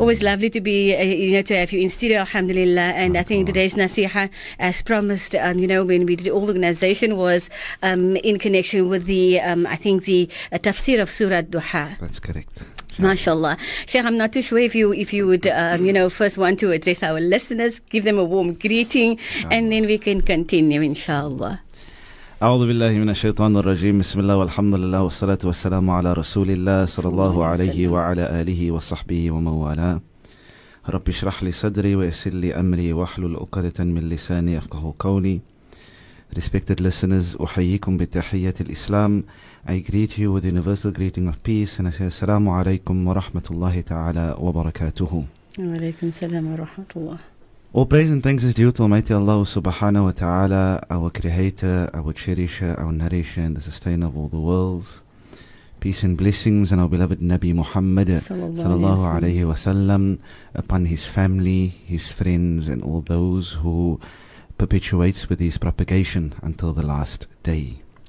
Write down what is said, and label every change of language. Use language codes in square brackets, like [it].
[en] Always lovely to be, you know, to have you in studio, alhamdulillah. And I think today's nasiha, as promised, you know, when we did all the organization, was in connection with the, I think, the tafsir of Surah Duha. That's correct. MashaAllah. Sheikh, I'm not too sure if you would, you know, first want to address our listeners, give them a warm greeting, and then we can continue, inshallah. [ar] أعوذ بالله من الشيطان الرجيم بسم الله والحمد لله والصلاة والسلام على رسول الله صلى الله عليه وعلى آله وصحبه وموالاه رب اشرح لي صدري ويسر لي أمري واحلل عقدة من لساني يفقه قولي. [en] Respected listeners, [ar] أحييكم بتحية الإسلام. [en] I greet you with universal greeting of peace and I say [ar] السلام عليكم ورحمة الله تعالى وبركاته. وعليكم السلام ورحمة الله. [en] All praise and thanks is due to Almighty Allah subhanahu wa ta'ala, our creator, our cherisher, our nourisher, and the sustainer of all the worlds. Peace and blessings and our beloved Nabi Muhammad sallallahu alayhi wa sallam, upon his family, his friends, and all those who perpetuates with his propagation until the last day.